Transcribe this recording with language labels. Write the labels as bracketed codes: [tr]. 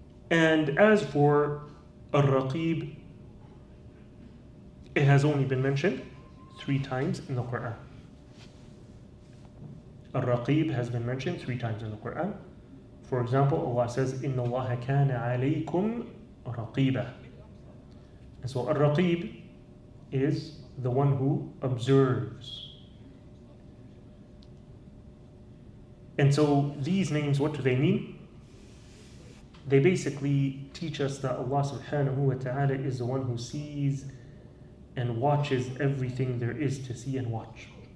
[en] And as for الرقيب, it has only been mentioned 3 times in the Quran. الرقيب has been mentioned 3 times in the Quran. For example, Allah says, [ar] إِنَّ اللَّهَ كَانَ عَلَيْكُمْ رَقِيبًا. [en] And so الرقيب is the one who observes. And so these names, what do they mean? They basically teach us that Allah subhanahu wa ta'ala is the one who sees and watches everything there is to see and watch.